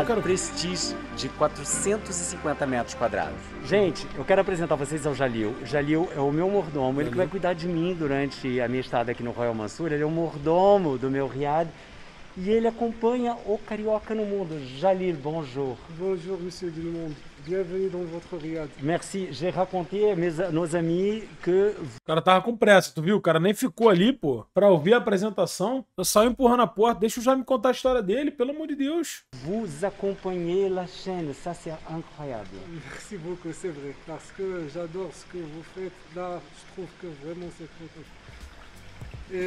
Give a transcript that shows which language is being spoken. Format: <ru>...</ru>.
<pt>eu quero... Prestige de 450 metros quadrados. Gente, eu quero apresentar vocês ao Jalil. Jalil é o meu mordomo, ele que vai cuidar de mim durante a minha estada aqui no Royal Mansour. Ele é o mordomo do meu riad. E ele acompanha o carioca no mundo.</pt> <fr>Jalil, bonjour. Bonjour, monsieur du monde. Bienvenue dans votre riad. Merci. J'ai raconté à nos amis que...</fr> <pt>O cara tava com pressa, tu viu? O cara nem ficou ali, pô, pra ouvir a apresentação. Eu saio empurrando a porta. Deixa eu já me contar a história dele, pelo amor de Deus.</pt> <fr>Vous accompagnez la chaîne. Ça, c'est incroyable. Merci beaucoup, c'est vrai. Parce que j'adore ce que vous faites. Là, je trouve que vraiment c'est très cool.</fr>